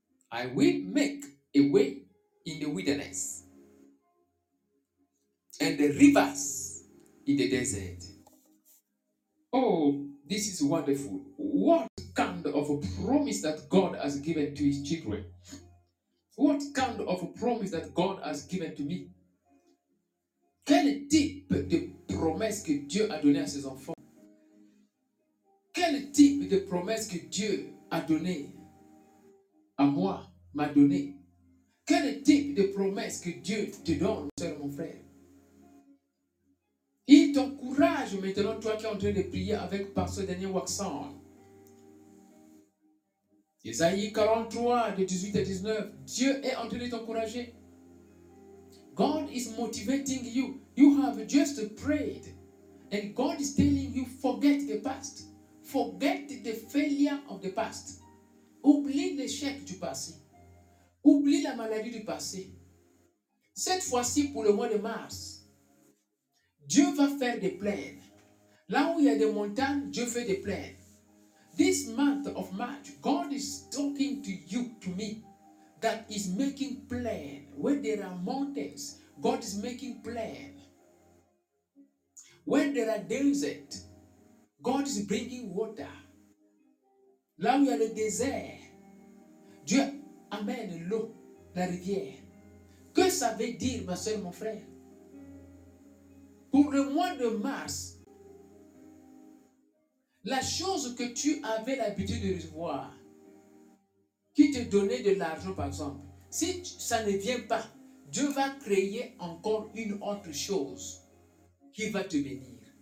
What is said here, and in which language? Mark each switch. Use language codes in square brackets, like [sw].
[en] I will make a way in the wilderness and the rivers in the desert. Oh, this is wonderful. What kind of a promise that God has given to his children? What kind of a promise that God has given to me? [fr] Quel type de promesse que Dieu a donné à ses enfants? Quel type de promesse que Dieu a donné à moi, m'a donné? Quel type de promesse que Dieu te donne, soeur, mon frère? Il t'encourage maintenant, toi qui es en train de prier avec Pasteur Daniel Waxon. Esaïe 43, de 18 à 19. Dieu est en train de t'encourager. [en] God is motivating you. You have just prayed. And God is telling you, forget the past. Forget the failure of the past. [fr] Oublie l'échec du passé. Oublie la maladie du passé. Cette fois-ci, pour le mois de mars, Dieu va faire des plaines. Là où il y a des montagnes, Dieu fait des plaines. [en] This month of March, God is talking to you, to me, that is making plain. Where there are mountains, God is making plain. Where there are deserts, God is bringing water. [fr] Là où il y a le désert, Dieu amène l'eau, la rivière. Que ça veut dire, ma soeur, mon frère? Pour le mois de mars, la chose que tu avais l'habitude de recevoir, qui te donnait de l'argent par exemple, si ça ne vient pas, Dieu va créer encore une autre chose qui va te bénir.